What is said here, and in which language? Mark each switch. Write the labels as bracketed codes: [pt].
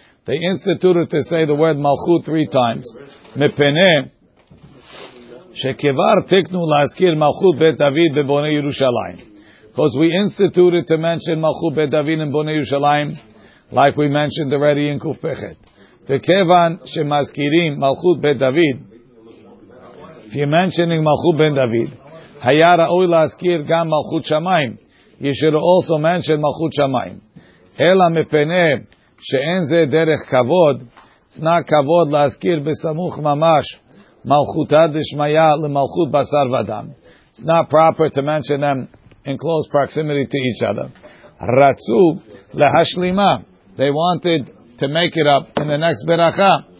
[en] They instituted to say the word malchut three times. [he] Mepene שכבר תקנו להזכיר מלכות בית דוד בבוני ירושלים. [en] Because we instituted to mention מלכות בית דוד in בוני ירושלים, like we mentioned already in קוף פחת. [he] וכיוון שמזכירים מלכות בית דוד, [en] if you're mentioning [he] מלכות בית דוד, היה ראוי להזכיר גם מלכות שמיים. [en] You should also mention [he] מלכות שמיים. אלא מפני שאין זה דרך כבוד, צנע כבוד להזכיר בסמוך ממש, מלכותה דשמיה למלכות בשר ודם. [en] It's not proper to mention them in close proximity to each other. [he] רצו להשלימה. [en] They wanted to make it up in the next ברכה.